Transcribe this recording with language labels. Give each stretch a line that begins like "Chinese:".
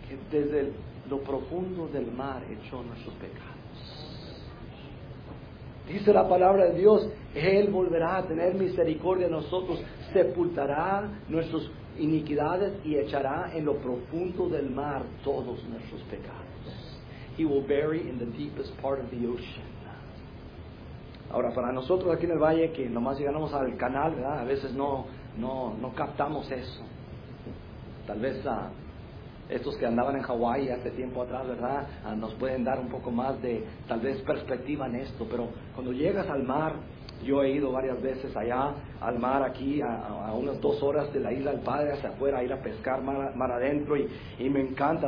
Spanish: Desde lo profundo del mar echó nuestros pecados. Dice la palabra de Dios, Él volverá a tener misericordia de nosotros, sepultará nuestras iniquidades y echará en lo profundo del mar todos nuestros pecados.
English: He will bury in the deepest part of the ocean.
Spanish: Ahora, para nosotros aquí en el valle, que nomás llegamos al canal, ¿verdad? A veces no captamos eso. Tal vez estos que andaban en Hawái hace tiempo atrás, ¿verdad? Nos pueden dar un poco más de, tal vez, perspectiva en esto. Pero cuando llegas al mar, yo he ido varias veces allá al mar aquí, a unas 2 horas de la Isla del Padre hacia afuera, a ir a pescar mar adentro, y me encanta.